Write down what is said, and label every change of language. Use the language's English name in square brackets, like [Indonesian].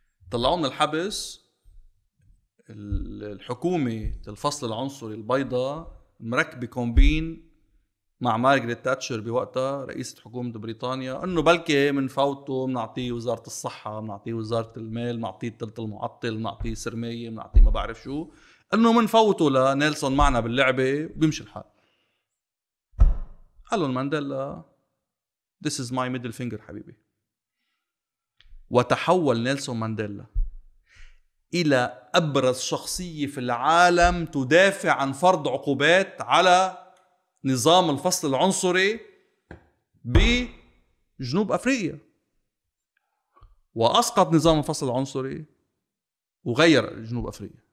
[Arabic] طلعوه من الحبس الحكومة الفصل العنصري البيضاء مركبة كومبين مع مارغريت تاتشر بوقتها رئيسة حكومة بريطانيا، إنه بلكي من فوته منعطيه وزارة الصحة، منعطيه وزارة المال، منعطيه التلت المعطل، منعطيه سرمية، منعطيه ما بعرف شو، انه منفوته لنيلسون معنا باللعبه وبيمشي الحال. قال له مانديلا [English] This is my middle finger [Arabic] حبيبي. وتحول نيلسون مانديلا الى ابرز شخصيه في العالم تدافع عن فرض عقوبات على نظام الفصل العنصري بجنوب افريقيا، واسقط نظام الفصل العنصري وغير جنوب افريقيا.